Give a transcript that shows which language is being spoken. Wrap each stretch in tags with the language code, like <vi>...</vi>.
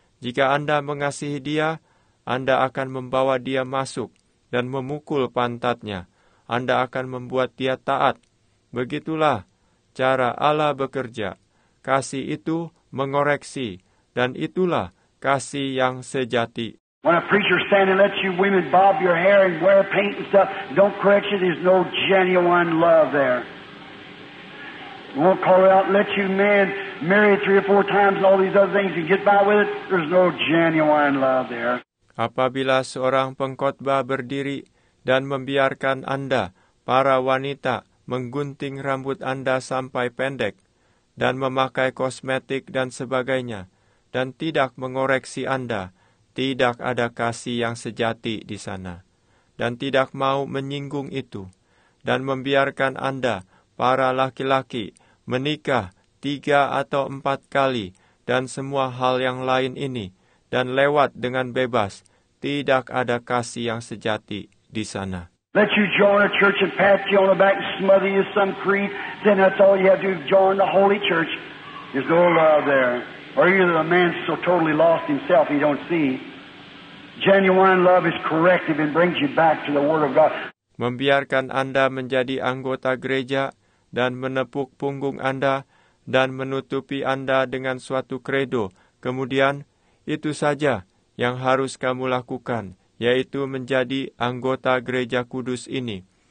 <id>Jika Anda mengasihi dia, Anda akan membawa dia masuk dan memukul pantatnya. Anda akan membuat dia taat. Begitulah cara Allah bekerja. Kasih itu mengoreksi. Dan itulah kasih yang sejati.</id> <en>When a preacher stands and lets you women bob your hair and wear paint and stuff, don't correct you, there's no genuine love there. You won't call it out and let you men marry three or four times and all these other things and get by with it, there's no genuine love there.</en> <id>Apabila seorang pengkhotbah berdiri dan membiarkan Anda, para wanita, menggunting rambut Anda sampai pendek dan memakai kosmetik dan sebagainya dan tidak mengoreksi Anda, tidak ada kasih yang sejati di sana, dan tidak mau menyinggung itu, dan membiarkan Anda, para laki-laki, menikah 3 atau 4 kali, dan semua hal yang lain ini, dan lewat dengan bebas, tidak ada kasih yang sejati di sana.</id> <en>Let you join a church and pat you on the back and smother you some creed, then that's all you have to do, join the holy church, there's no love there. Or either the man's so totally lost himself he don't see, genuine love is corrective and brings you back to the Word of God.</en> <id>Membiarkan Anda menjadi anggota gereja dan menepuk punggung Anda dan menutupi Anda dengan suatu kredo. Kemudian, itu saja yang harus kamu lakukan, yaitu menjadi anggota gereja kudus ini.</id>